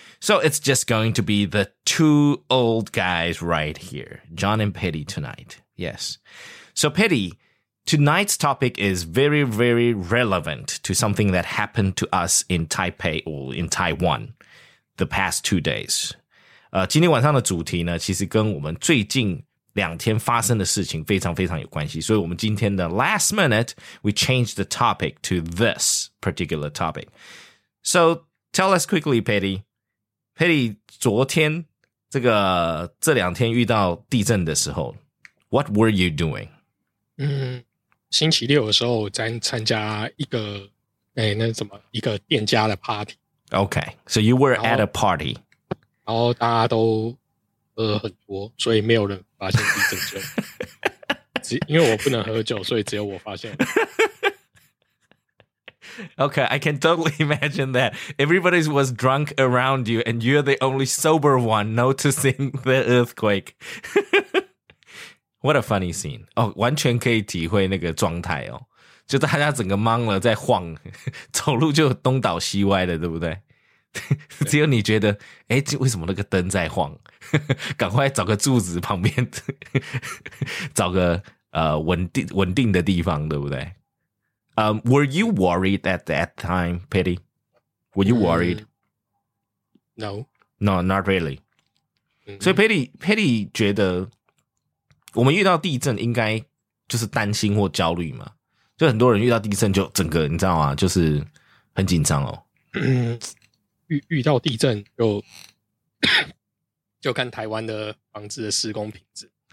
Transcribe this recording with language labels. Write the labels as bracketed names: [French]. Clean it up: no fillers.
[English] So it's just going to be the two old guys right here, John and Petty tonight. Yes. So Petty, tonight's topic is very, very relevant to something that happened to us in Taipei or in Taiwan the past 2 days. [Chinese] 今天晚上的主题呢，其实跟我们最近两天发生的事情非常非常有关系。所以我们今天的 [English] last minute, we changed the topic to this particular topic. So tell us quickly, Petty. Petty, 昨天这个这两天遇到地震的时候 ， What were you doing？ [Chinese] 星期六的时候在参加一个，那什么一个店家的 party。 [English] Okay, so you were at a party。 [Chinese] 然后大家都喝很多，所以没有人发现地震就，因为我不能喝酒，所以只有我发现。 [English] Okay, I can totally imagine that. Everybody was drunk around you, and you're the only sober one noticing the earthquake. What a funny scene. [Chinese] Oh, 完全可以体会那个状态哦。就大家整个懵了在晃，走路就东倒西歪的，对不对？只有你觉得，诶，为什么那个灯在晃？赶快找个柱子旁边，找个稳定的地方，对不对？ [English] Were you worried at that time, Petty? Were you worried? No. No, not really. [Chinese] So Petty 觉得我们遇到地震应该就是担心或焦虑嘛。就很多人遇到地震就整个你知道吗，就是很紧张哦。遇到地震就就看台湾的房子的施工品质。